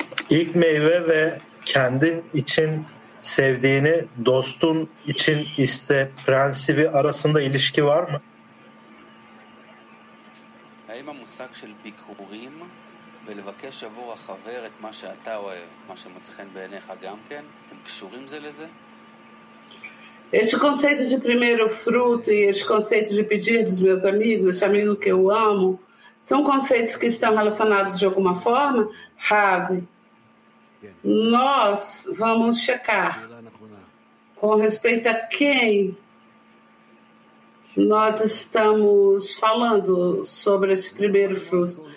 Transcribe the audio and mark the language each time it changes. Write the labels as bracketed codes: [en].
[tr] İlk meyve ve kendin için sevdiğini dostun için iste prensibi arasında ilişki var mı? [he] האם המושג של ביקורים ולבקש עבור החבר את מה שאתה אוהב, מה שמצחן בעיניך גם כן, הם קשורים זה לזה? [pt] Esse conceito de primeiro fruto e esse conceito de pedir dos meus amigos, esse amigo que eu amo, são conceitos que estão relacionados de alguma forma? Rave, nós vamos checar com respeito a quem nós estamos falando sobre esse primeiro fruto.